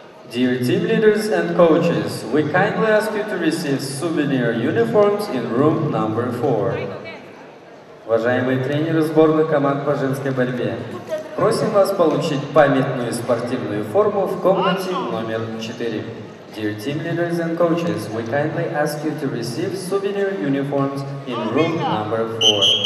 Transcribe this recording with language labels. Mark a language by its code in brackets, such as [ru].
[en] Dear team leaders and coaches, we kindly ask you to receive souvenir uniforms in room number 4. [ru] Уважаемые тренеры сборных команд по женской борьбе, просим вас получить памятную спортивную форму в комнате номер 4. [en] Dear team leaders and coaches, we kindly ask you to receive souvenir uniforms in room number 4.